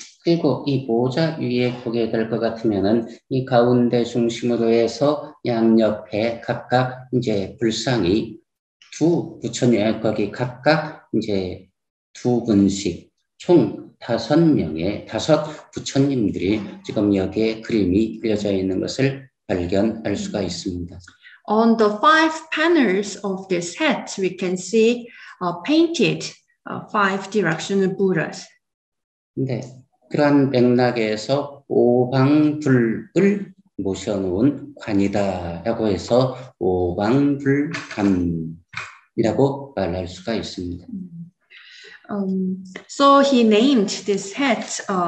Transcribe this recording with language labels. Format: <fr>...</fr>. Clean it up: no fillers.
<ko>그리고 이 모자 위에 보게 될 것 같으면은 이 가운데 중심으로 해서 양옆에 각각 이제 불상이 두 부처님 거기 각각 이제 두 분씩 총 다섯 명의 다섯 부처님들이 지금 여기에 그림이 그려져 있는 것을 발견할 수가 있습니다.</ko> <en>On the five panels of this hat, we can see painted five directional Buddhas.</en> <ko>네, 그런 맥락에서 오방불을 모셔놓은 관이다라고 해서 오방불관이라고 말할 수가 있습니다.</ko> <en>So he named this hat</en>